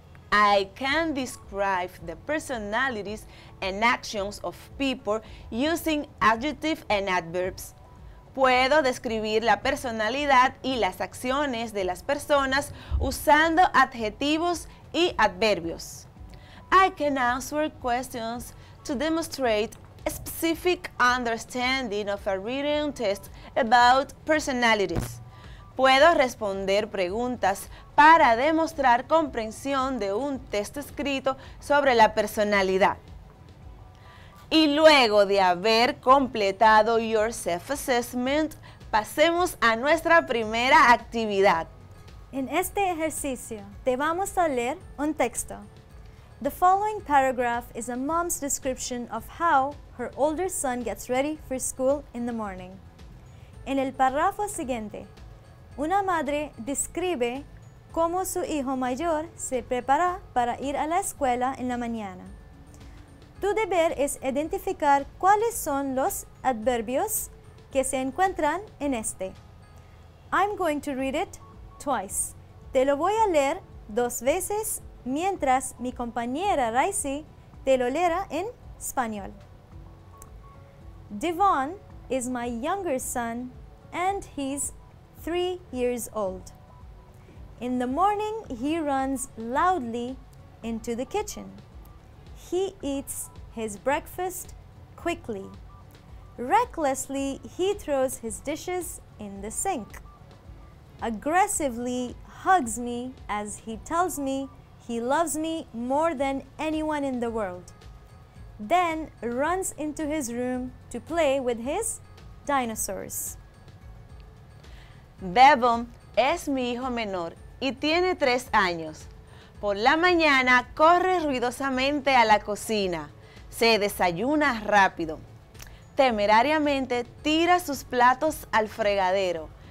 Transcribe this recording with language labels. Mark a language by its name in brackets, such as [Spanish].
[English] I can describe the personalities and actions of people using adjectives and adverbs. [Spanish] Puedo describir la personalidad y las acciones de las personas usando adjetivos y adverbios. [English] I can answer questions to demonstrate a specific understanding of a written test about personalities. [Spanish] Puedo responder preguntas para demostrar comprensión de un test escrito sobre la personalidad. Y luego de haber completado [English] your self-assessment, [Spanish] pasemos a nuestra primera actividad. En este ejercicio, te vamos a leer un texto. [English] The following paragraph is a mom's description of how her older son gets ready for school in the morning. [Spanish] En el párrafo siguiente, una madre describe cómo su hijo mayor se prepara para ir a la escuela en la mañana. Tu deber es identificar cuáles son los adverbios que se encuentran en este. [English] I'm going to read it twice. [Spanish] Te lo voy a leer dos veces mientras mi compañera Raisi te lo leerá en español. [English] Devon is my younger son and he's 3 years old. In the morning, he runs loudly into the kitchen. He eats his breakfast quickly. Recklessly, he throws his dishes in the sink. Aggressively hugs me as he tells me he loves me more than anyone in the world. Then runs into his room to play with his dinosaurs. [Spanish] Devon es mi hijo menor y tiene 3 años. Por la mañana corre ruidosamente a la cocina. Se desayuna rápido. Temerariamente tira sus platos al fregadero.